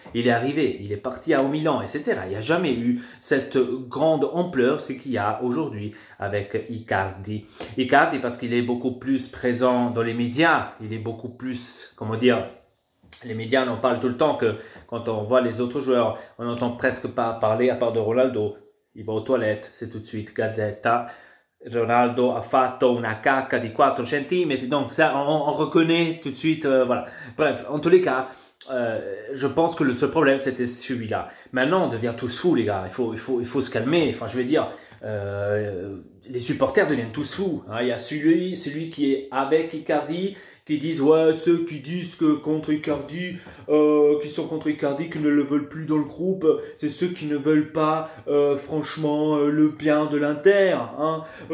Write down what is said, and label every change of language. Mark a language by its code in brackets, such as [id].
[fr] Il est arrivé, il est parti au Milan, etc. Il n'y a jamais eu cette grande ampleur, ce qu'il y a aujourd'hui avec Icardi. Icardi, parce qu'il est beaucoup plus présent dans les médias, il est beaucoup plus, comment dire, les médias en parlent tout le temps, que quand on voit les autres joueurs, on n'entend presque pas parler, à part de Ronaldo. Il va aux toilettes, c'est tout de suite Gazzetta. [it] Ronaldo a fatto una cacca di 4 centimetri. [fr] Donc ça, on reconnaît tout de suite. Voilà. Bref, en tous les cas, je pense que le seul problème, c'était celui-là. Maintenant, on devient tous fous, les gars. Il faut se calmer. Enfin, je veux dire, les supporters deviennent tous fous. Hein. Il y a celui qui est avec Icardi, qui disent, ouais, ceux qui disent que contre Icardi, qui sont contre Icardi, qui ne le veulent plus dans le groupe, c'est ceux qui ne veulent pas, franchement, le bien de l'Inter. Hein.